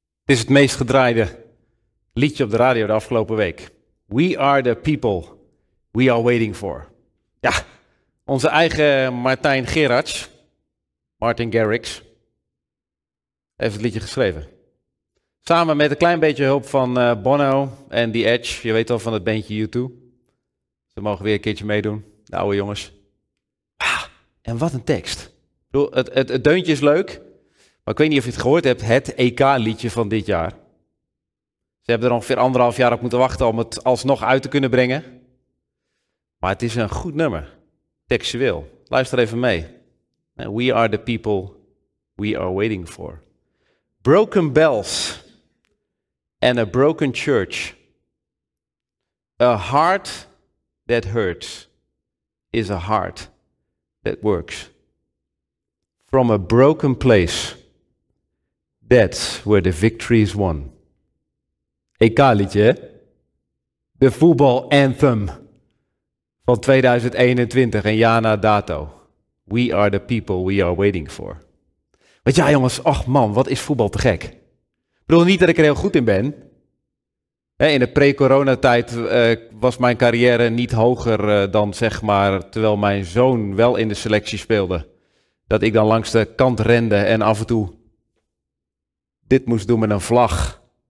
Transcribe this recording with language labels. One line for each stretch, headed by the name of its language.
Dutch: Het is het meest gedraaide liedje op de radio de afgelopen week.
English: We are the people we are waiting for.
Dutch: Ja, onze eigen Martijn Gerards, Martin Garrix, heeft het liedje geschreven. Samen met een klein beetje hulp van Bono en The Edge. Je weet al van het bandje U2. Ze mogen weer een keertje meedoen, de oude jongens. Ah, en wat een tekst. Het deuntje is leuk. Maar ik weet niet of je het gehoord hebt, het EK-liedje van dit jaar. Ze hebben er ongeveer anderhalf jaar op moeten wachten om het alsnog uit te kunnen brengen. Maar het is een goed nummer, textueel. Luister even mee.
English: We are the people we are waiting for. Broken bells and a broken church. A heart that hurts is a heart that works. From a broken place. That's where the victory is won.
Dutch: EK-liedje, hè? De voetbal anthem van 2021, een jaar na dato.
English: We are the people we are waiting for.
Dutch: Want ja, jongens, ach man, wat is voetbal te gek. Ik bedoel niet dat ik er heel goed in ben. In de pre-coronatijd was mijn carrière niet hoger dan, zeg maar, terwijl mijn zoon wel in de selectie speelde. Dat ik dan langs de kant rende en af en toe dit moest doen met een vlag.